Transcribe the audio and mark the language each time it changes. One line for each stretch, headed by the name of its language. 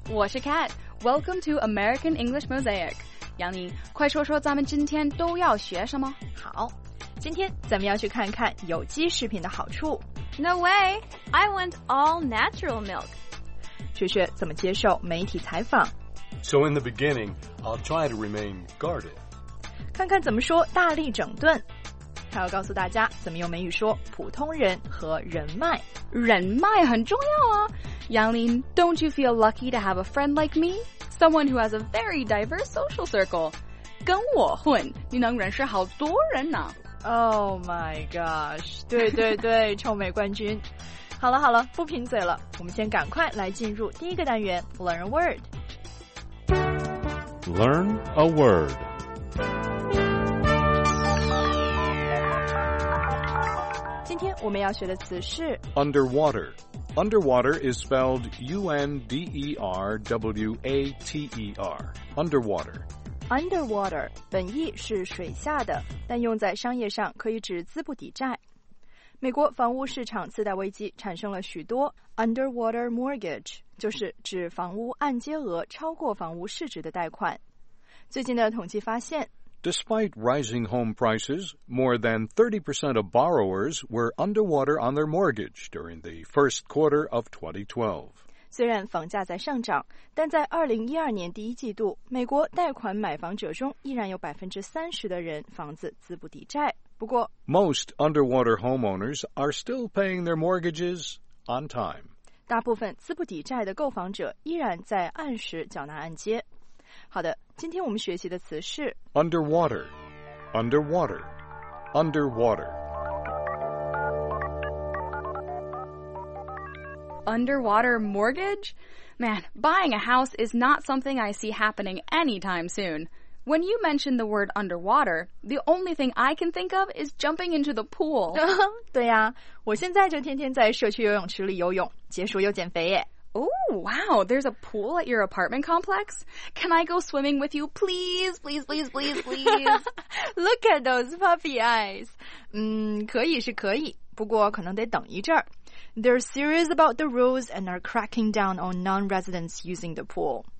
Chinese: 我是
English: Cat。Welcome to American English Mosaic。
Chinese: 杨林，快说说咱们今天都要学什么？好，今天咱们要去看看有机食品的好处。
English: No way! I want all natural milk.
Chinese: 学学怎么接受媒体采访。
English: So in the beginning, I'll try to remain guarded.
Chinese: 看看怎么说大力整顿。他要告诉大家怎么用美语说普通人和人脉。人脉很重要啊。
English: 杨林， don't you feel lucky to have a friend like me? Someone who has a very diverse social circle.
Chinese: 跟我混，你能认识好多人呢。
English: Oh my gosh,
Chinese: 对对对，臭美冠军。好了好了，不贫嘴了，我们先赶快来进入第一个单元
English: Learn a Word。 Learn a Word。
Chinese: 今天我们要学的词是
English: Underwater。 Underwater is spelled U-N-D-E-R-W-A-T-E-R。 Underwater。
Chinese: Underwater 本意是水下的，但用在商业上可以指资不抵债。美国房屋市场次贷危机产生了许多 underwater mortgage， 就是指房屋按揭额超过房屋市值的贷款。最近的统计发现，
English: Despite rising home prices, more than 30% of borrowers were underwater on their mortgage during the first quarter of 2012.
Chinese: 虽然房价在上涨，但在2012年第一季度，美国贷款买房者中依然有30%的人房子资不抵债。不过
English: Most underwater homeowners are still paying their mortgages on time.
Chinese: 大部分资不抵债的购房者依然在按时缴纳按揭。好的，今天我们学习的词是
English: Underwater, underwater, underwater. Underwater mortgage? Man, buying a house is not something I see happening anytime soon. When you mention the word underwater, the only thing I can think of is jumping into the pool.
Chinese: 对呀、啊，我现在就天天在社区游泳池里游泳，解暑又减肥耶。
English: Oh, wow, there's a pool at your apartment complex? Can I go swimming with you, please, please, please, please, please? Look at those puffy eyes.
Chinese: 可以是可以，不过可能得等一阵儿。
English: They're serious about the rules and are cracking down on non-residents using the pool.